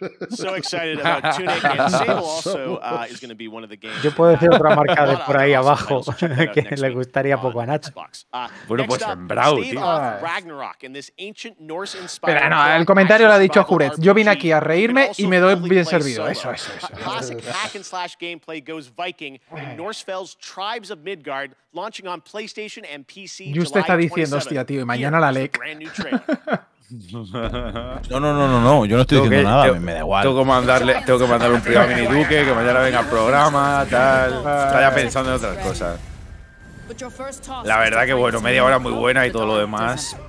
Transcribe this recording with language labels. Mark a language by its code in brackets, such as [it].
[en] So excited about Tunic and Sable also is going to be one of the games. [es] Yo puedo decir otra marca de por ahí abajo que le gustaría poco a Nacho. Bueno, pues en Brawl, tío. [en] Ragnarok in this ancient Norse inspired. [es] Pero no, el comentario lo ha dicho Jurez. Yo vine aquí a reírme y me doy bien servido. Eso. [en] Classic hack and slash gameplay goes Viking in Norsefell's Tribes of Midgard launching on PlayStation and PC. [es] Y usted está diciendo, hostia, tío, y mañana la LEC. No, yo no estoy diciendo nada, me da igual. Tengo que mandarle un privado a Mini Duque, que mañana venga al programa, tal. Estaba pensando en otras cosas. La verdad que bueno, media hora muy buena y todo lo demás.